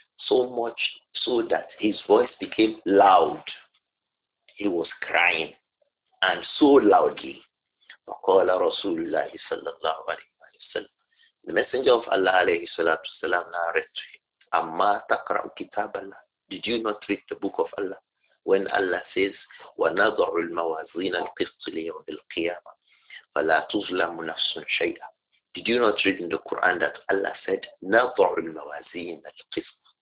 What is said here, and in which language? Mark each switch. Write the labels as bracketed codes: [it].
[en] So much so that his voice became loud. He was crying. And so loudly. [ar] وَقَالَ رَسُولُ اللَّهِ صَلَّى اللَّهُ عَلَيْهِ وَسَلَّمَ. [en] The Messenger of Allah alayhi salatu salam narrated to him, [ar] Amma taqra'u kitab Allah. [en] Did you not read the book of Allah? When Allah says, [ar] وَنَضَعُ الْمَوَازِينَ الْقِسْطِ لِيَوْمِ الْقِيَامَةِ فَلَا تُظْلَمُ نَفْسٌ شَيْئًا. [en] Did you not read in the Quran that Allah said, [ar] نَضَعُ الْمَوَازِينَ الْقِسْطِ.